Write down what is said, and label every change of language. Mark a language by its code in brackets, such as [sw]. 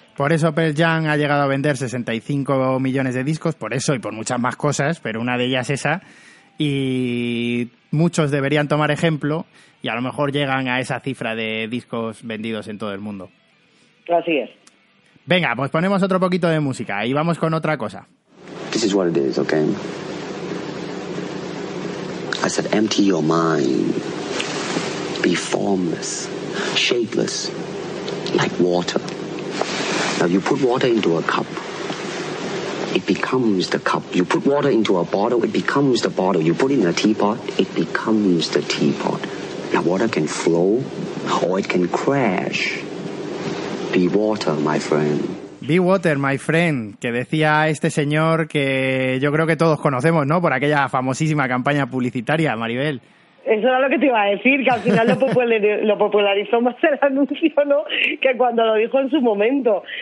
[es] Por eso Pearl Jam ha llegado a vender 65 millones de discos, por eso y por muchas más cosas, pero una de ellas esa, y muchos deberían tomar ejemplo y a lo mejor llegan a esa cifra de discos vendidos en todo el mundo. Así es. Venga, pues ponemos otro poquito de música y vamos con otra cosa. [en] This is what it is, okay? I said empty your mind. Be formless, shapeless, like water. Now you put water into a cup, it becomes the cup. You put water into a bottle, it becomes the bottle. You put it in a teapot, it becomes the teapot. Now water can flow or it can crash. Be water, my friend. Be water, my friend, [es] que decía este señor que yo creo que todos conocemos, ¿no? Por aquella famosísima campaña publicitaria, Maribel. Eso era lo que te iba a decir, que al final lo popularizó más el anuncio, ¿no?, que cuando lo dijo en su momento.